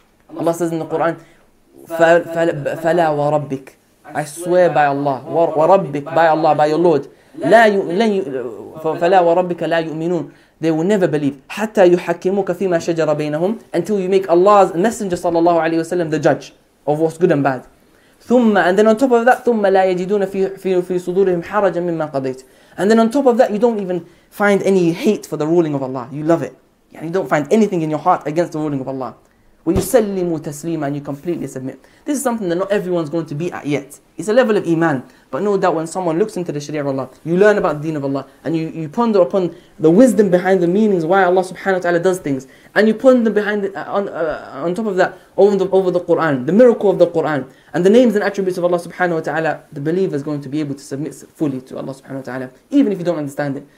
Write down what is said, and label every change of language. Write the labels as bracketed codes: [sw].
[en] Allah says in the Quran, فَلَا وَرَبِّكَ, I swear by Allah, وَرَبِّكَ, by Allah, by your Lord, [ar] فَلَا وَرَبِّكَ لَا يُؤْمِنُونَ, [en] they will never believe. [ar] حتى يحكموك فيما شجر بينهم, [en] until you make Allah's Messenger صلى الله عليه وسلم the judge of what's good and bad. [ar] ثم, [en] and then on top of that, [ar] ثم لا يجدون في صدورهم حرجا مما قضيت. [en] And then on top of that, you don't even find any hate for the ruling of Allah. You love it. Yeah, you don't find anything in your heart against the ruling of Allah. [ar] ويسلم تسليما, [en] and you completely submit. This is something that not everyone's going to be at yet. It's a level of iman. But no doubt when someone looks into the sharia of Allah, you learn about the deen of Allah, and you ponder upon the wisdom behind the meanings why Allah subhanahu wa ta'ala does things, and you ponder behind on top of that over the Qur'an, the miracle of the Qur'an, and the names and attributes of Allah subhanahu wa ta'ala, the believer is going to be able to submit fully to Allah subhanahu wa ta'ala, even if you don't understand it.